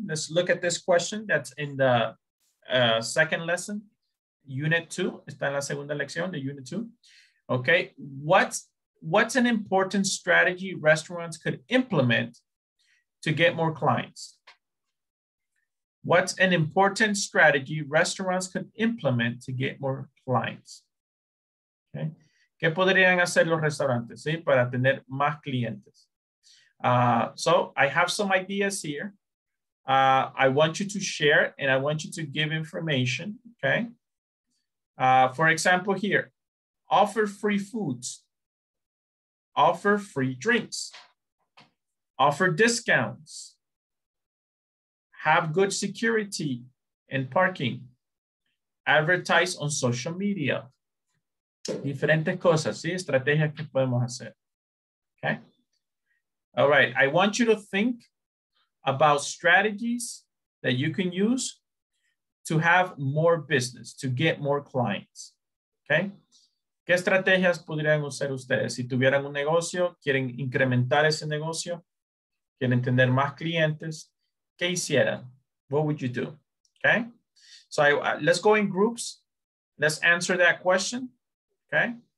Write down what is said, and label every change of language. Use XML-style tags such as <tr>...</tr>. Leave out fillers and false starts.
<en>Let's look at this question that's in the second lesson, unit two.</en> <es>Está en la segunda lección de</es> <en>unit two. Okay, what's an important strategy restaurants could implement to get more clients? What's an important strategy restaurants could implement to get more clients? Okay.</en> <es>¿Qué podrían hacer los restaurantes, sí, para tener más clientes?</es> <en>So I have some ideas here. I want you to share and I want you to give information, okay? For example here, offer free foods, offer free drinks, offer discounts, have good security and parking, advertise on social media.</en> <es>Diferentes cosas, ¿sí? Estrategias que podemos hacer. Okay.</es> <en>All right. I want you to think about strategies that you can use to have more business, to get more clients.</en> <es>Okay. ¿Qué estrategias podrían usar ustedes? Si tuvieran un negocio, quieren incrementar ese negocio, quieren tener más clientes, ¿qué hicieran?</es> <en>What would you do? Okay. So let's go in groups. Let's answer that question. Okay.</en>